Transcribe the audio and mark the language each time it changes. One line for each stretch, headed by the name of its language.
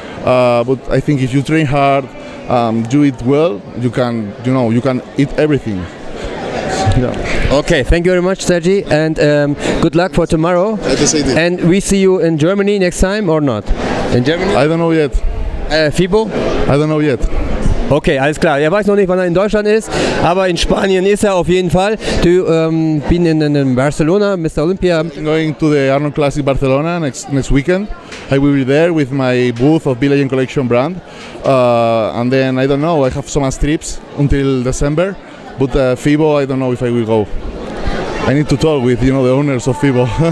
English: But I think if you train hard, do it well, you can, you know, you can eat everything. Yeah. Okay, thank you very much, Sergi, and good luck for tomorrow. And we see you in Germany next time or not? In Germany? I don't know yet. FIBO? I don't know yet.
German: Okay, alles klar. Er weiß noch nicht, wann er in Deutschland ist, aber in Spanien ist er auf jeden Fall. Du bist in Barcelona, Mr. Olympia.
English: I'm going to the Arnold Classic Barcelona next weekend. I will be there with my booth of Be Legend Collection brand. And then, I don't know, I have so much trips until December. But FIBO, I don't know if I will go. I need to talk with, you know, the owners of FIBO.